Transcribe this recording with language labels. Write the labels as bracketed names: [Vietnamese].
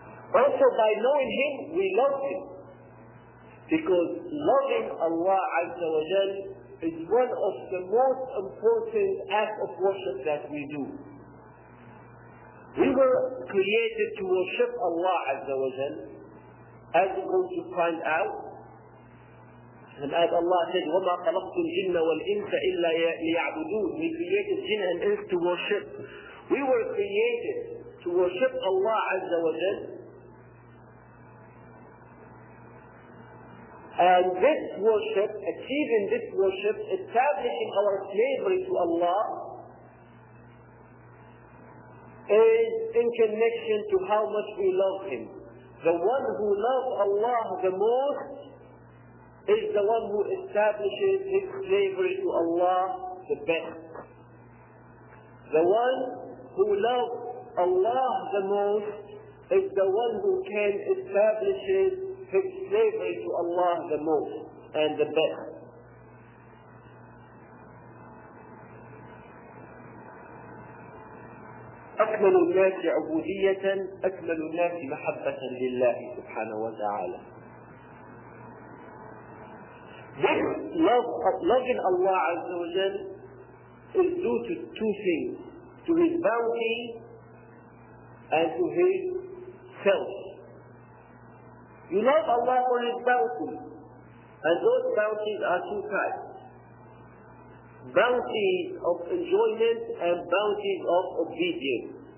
[English] Also by knowing him, we love him. Because loving Allah Azza wa Jal is one of the most important acts of worship that we do. We were created to worship Allah Azza wa Jal, as we're going to find out. And as Allah said, [Arabic] وَمَا خَلَقْتُ الْجِنَّ وَالْإِنْسَ إِلَّا لِيَعْبُدُونَ. [English] We created jinn and ins to worship. We were created to worship Allah Azza wa Jal. And this worship, achieving this worship, establishing our slavery to Allah, is in connection to how much we love Him. The one who loves Allah the most is the one who establishes his slavery to Allah the best. The one who loves Allah the most is the one who can establish his slavery to Allah the most and the best. [Arabic] أكمل الناس عبودية أكمل الناس محبة لله سبحانه وتعالى. [English] This love of loving Allah Azza wa Jal is due to two things, to His bounty and to His self. You love Allah for His bounty, and those bounties are two types, bounties of enjoyment and bounties of obedience.